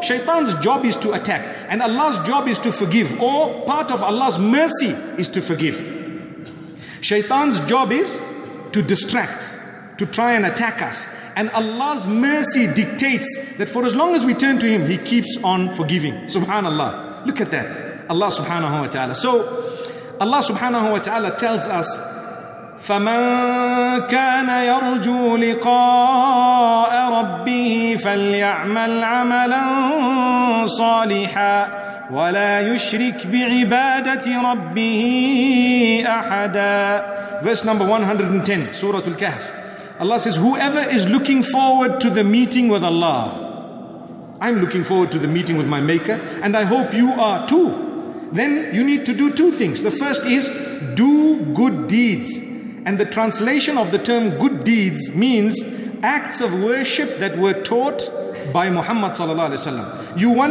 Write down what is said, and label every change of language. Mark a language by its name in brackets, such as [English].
[English] Shaitan's job is to attack. And Allah's job is to forgive. Or part of Allah's mercy is to forgive. Shaitan's job is to distract, to try and attack us. And Allah's mercy dictates that for as long as we turn to Him, He keeps on forgiving. Subhanallah. Look at that. Allah subhanahu wa ta'ala. So, Allah subhanahu wa ta'ala tells us, [Arabic] فَمَنْ كَانَ يَرْجُو لِقَاءَ رَبِّهِ فَلْيَعْمَلْ عَمَلًا صَالِحًا وَلَا يُشْرِكْ بِعِبَادَةِ رَبِّهِ أَحَدًا. [English] Verse number 110, Surah Al-Kahf. Allah says, whoever is looking forward to the meeting with Allah, I'm looking forward to the meeting with my Maker, and I hope you are too. Then you need to do two things. The first is, do good deeds. And the translation of the term good deeds means acts of worship that were taught by Muhammad sallallahu alaihi wasallam.